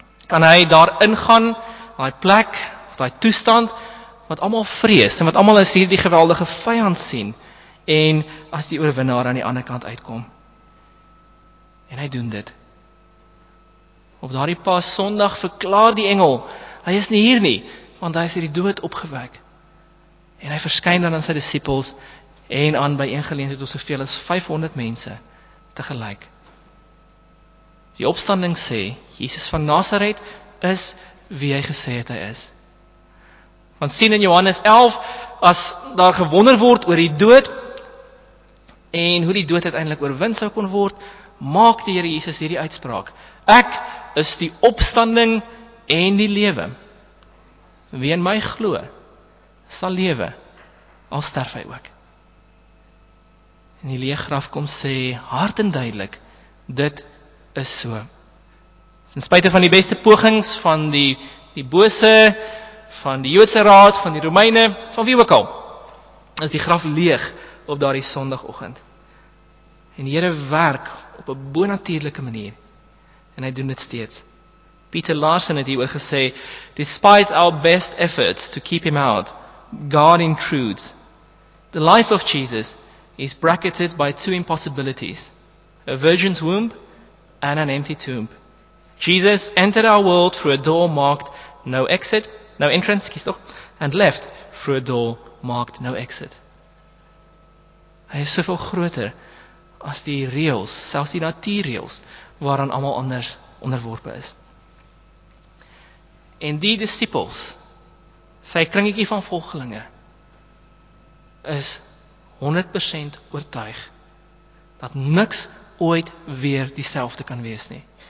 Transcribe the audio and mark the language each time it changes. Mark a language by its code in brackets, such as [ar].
[af] Kan hy daar ingaan, daai plek, daai toestand, wat allemaal vrees, en wat allemaal as hier die geweldige vyand sien, en as die oorwinnaar aan die ander kant uitkom. En hy doen dit. Op daardie pas sondag verklaar die engel, hy is nie hier nie, want hy is hier die dood opgewek. En hy verskyn dan aan sy disciples, en aan by een geleentheid tot soveel as 500 mense tegelijk. Die opstanding sê, Jesus van Nazareth is wie hy gesê het hy is. Want sien in Johannes 11, as daar gewonder word oor die dood, en hoe die dood uiteindelik oorwin sou kon word, maak die Here Jesus hierdie uitspraak. Ek is die opstanding en die lewe. Wie in my glo, sal lewe, al sterf hy ook. En die leë graf kom sê, hard en duidelik, dit is so. [en] In spite [af] van die beste pogings van die bose, van die Joodse raad, van die Romeine, van wie ook al, is die graf leeg op daardie sondagoggend. En die Here werk op 'n bonatuurlike manier, en hy doen dit steeds. [en] Pieter Larsen [af] het hieroor gesê, [en] despite our best efforts to keep him out, God intrudes. The life of Jesus is bracketed by 2 impossibilities, a virgin's womb and an empty tomb. Jesus entered our world through a door marked no exit, no entrance, and left through a door marked no exit. [af] Hy is soveel groter as die reëls, selfs die natuurreëls, waaraan allemaal anders onderworpe is. En die disciples, sy kringetjie van volgelinge, is 100% oortuig, dat niks ooit weer dieselfde kan wees nie.